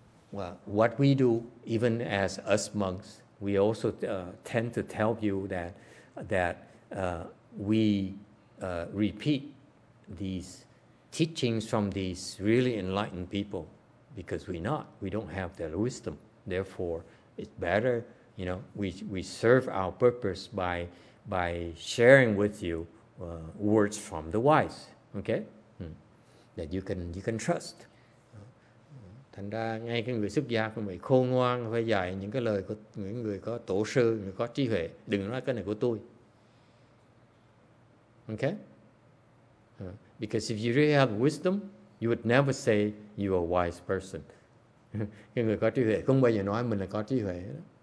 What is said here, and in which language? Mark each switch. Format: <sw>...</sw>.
<en>What we do, even as us monks, we also tend to tell you that we repeat these teachings from these really enlightened people because we don't have their wisdom. Therefore, it's better, you know, we serve our purpose by sharing with you words from the wise, okay? That you can trust.</en> <vi>Thành ra ngay cái người xuất gia của mình khôn ngoan phải dạy những cái lời của những người có tổ sư, người có trí huệ, đừng nói cái này của tôi.</vi> <en>Okay? Because if you really have wisdom, you would never say you are a wise person.</en> <vi>Cái người có trí huệ không bao giờ nói mình là có trí huệ đó.</vi>